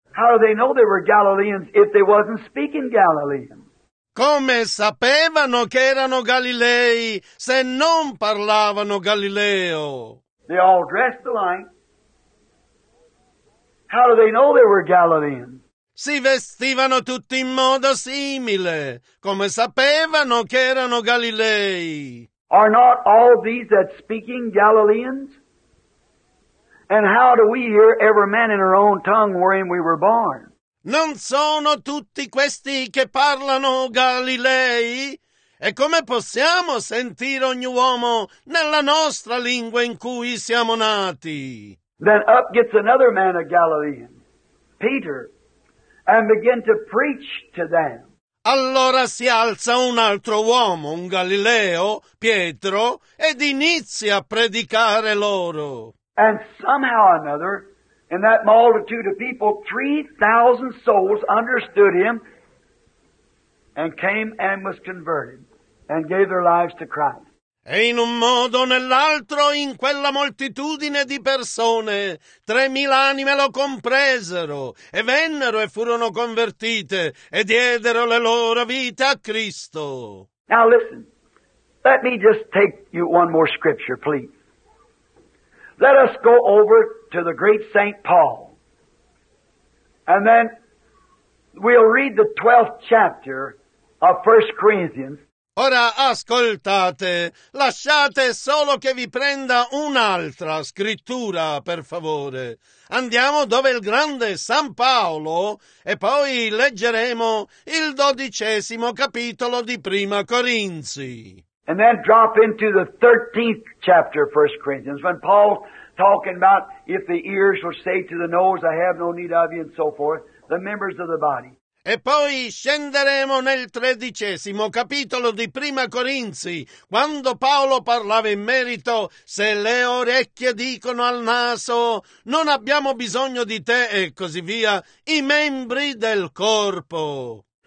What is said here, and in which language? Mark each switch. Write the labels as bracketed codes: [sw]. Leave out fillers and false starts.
[en] How do they know they were Galileans if they wasn't speaking Galilean? [it] Come sapevano che erano Galilei se non parlavano Galileo? [en] They all dressed alike. How do they know they were Galileans? [it] si vestivano tutti in modo simile, come sapevano che erano Galilei. [en] Are not all these that speaking Galileans? And how do we hear every man in our own tongue wherein we were born? [it] Non sono tutti questi che parlano Galilei? E come possiamo sentire ogni uomo nella nostra lingua in cui siamo nati? [en] Then up gets another man of Galilee, Peter, and begin to preach to them. [it] Allora si alza un altro uomo, un Galileo, Pietro, ed inizia a predicare loro. [en] And somehow or another, in that multitude of people, 3,000 souls understood him and came and was converted and gave their lives to Christ. [it] E in un modo o nell'altro, in quella moltitudine di persone, 3,000 anime lo compresero e vennero e furono convertite e diedero le loro vite a Cristo. [en] Now listen, let me just take you one more scripture, please. Let us go over to the great Saint Paul. And then we'll read the 12th chapter of 1 Corinthians. [it] Ora ascoltate, lasciate solo che vi prenda un'altra scrittura, per favore. Andiamo dove il grande San Paolo e poi leggeremo il 12° capitolo di Prima Corinzi. [en] And then drop into the 13th chapter of 1 Corinthians when Paul talking about if the ears will say to the nose, I have no need of you, and so forth, the members of the body. [it] E poi scenderemo nel 13° capitolo di Prima Corinzi, quando Paolo parlava in merito, se le orecchie dicono al naso, non abbiamo bisogno di te, e così via, i membri del corpo.